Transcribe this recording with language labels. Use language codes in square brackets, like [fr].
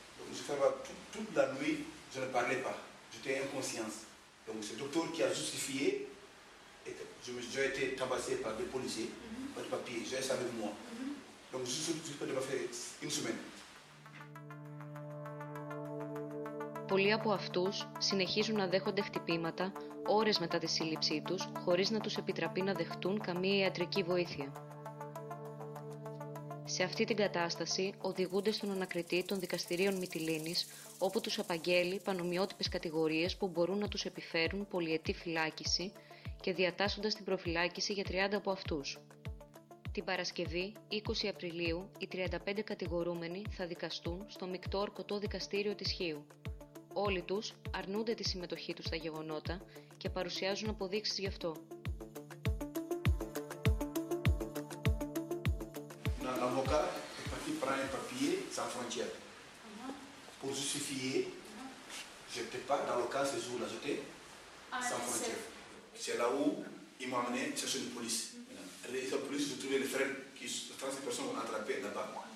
[fr] Donc, je fais toute la nuit, je ne parlais pas. J'étais inconscience. Donc, c'est le docteur qui a justifié. Et j'ai été tabassé par des policiers, par des papiers, j'ai ça avec moi. Donc, je peux pas faire une semaine. [el] Πολλοί από αυτούς συνεχίζουν να δέχονται χτυπήματα ώρες μετά τη σύλληψή τους, χωρίς να τους επιτραπεί να δεχτούν καμία ιατρική βοήθεια. Σε αυτή την κατάσταση οδηγούνται στον ανακριτή των δικαστηρίων Μυτιλίνης, όπου τους απαγγέλει πανομοιότυπες κατηγορίες που μπορούν να τους επιφέρουν πολυετή φυλάκιση και διατάσσοντας την προφυλάκιση για 30 από αυτούς. Την Παρασκευή, 20 Απριλίου, οι 35 κατηγορούμενοι θα δικαστούν στο μεικτό ορκωτό δικαστήριο της Χίου. Όλοι τους αρνούνται τη συμμετοχή τους στα γεγονότα και παρουσιάζουν αποδείξεις γι' αυτό. [fr] L'avocat est parti prendre un papier sans frontière pour justifier. Je n'étais pas dans le cas ce jour-là, j'étais sans frontière. C'est là où il m'a amené chercher une police. Et la police, j'ai trouvé les frères, qui, 36 personnes ont attrapé là-bas.